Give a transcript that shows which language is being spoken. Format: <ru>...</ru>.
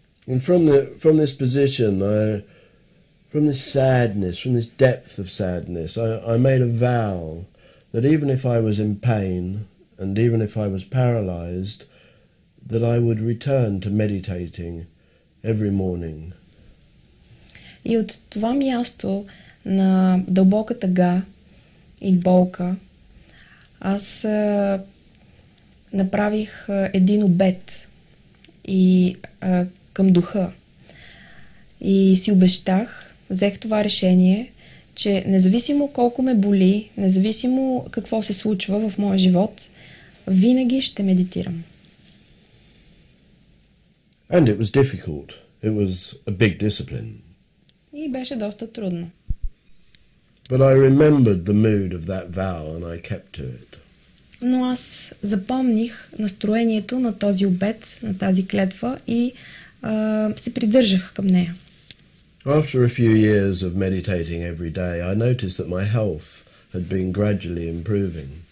<en>And from this position, from this sadness, from this depth of sadness, I made a vow that even if I was in pain and even if I was paralyzed, that I would return to meditating every morning.</en> <bg>И от това място на дълбока тъга и болка, аз направих един обет и към духа. И си обещах, взех това решение, че независимо колко ме боли, независимо какво се случва в моя живот, винаги ще медитирам.</bg> <en>And it was difficult. It was a big discipline.</en> <bg>И беше доста трудно.</bg> <en>But I remembered the mood of that vow and I kept to it.</en> <bg>Но аз запомних настроението на този обет, на тази клетва и се придържах към нея.</bg> <en>After a few years of meditating every day, I noticed that my health had been gradually improving.</en>